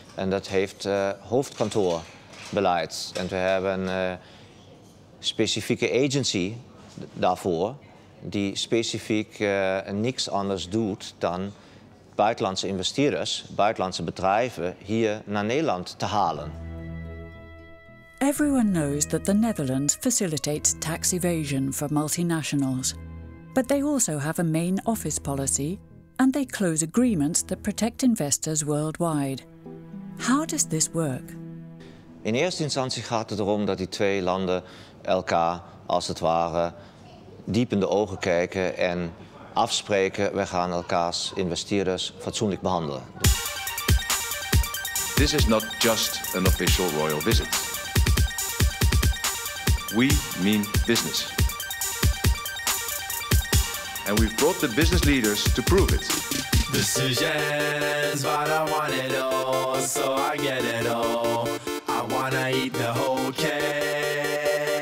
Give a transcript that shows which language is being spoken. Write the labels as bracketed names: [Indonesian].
[Dutch] En dat heeft hoofdkantoorbeleid. En we hebben een specifieke agency daarvoor die specifiek niks anders doet dan buitenlandse investeerders, buitenlandse bedrijven hier naar Nederland te halen. [English] Everyone knows that the Netherlands facilitates tax evasion for multinationals. But they also have a main office policy and they close agreements that protect investors worldwide. How does this work? [Dutch] In eerste instantie gaat het erom dat die twee landen elkaar, als het ware, diep in de ogen kijken en afspreken, we gaan elkaars investeerders fatsoenlijk behandelen. [English] This is not just an official royal visit. We mean business. And we've brought the business leaders to prove it. Decisions, but I want it all, so I get it all. I wanna eat the whole cake.